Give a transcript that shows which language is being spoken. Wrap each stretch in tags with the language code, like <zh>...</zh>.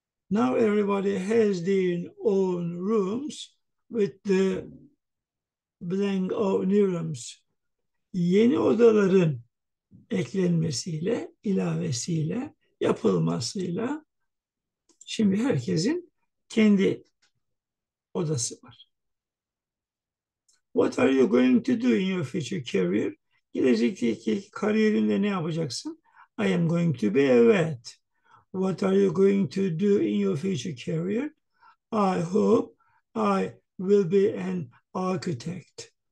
<en>Now everybody has their own rooms with the blank of new rooms.</en> <tr>Yeni odaların eklenmesiyle, ilavesiyle, yapılmasıyla şimdi herkesin kendi odası var.</tr> <en>What are you going to do in your future career?</en> <tr>Gelecekteki kariyerinde ne yapacaksın?</tr> <en>I am going to be evet. What are you going to do in your future career? I hope I will be an architect.</en>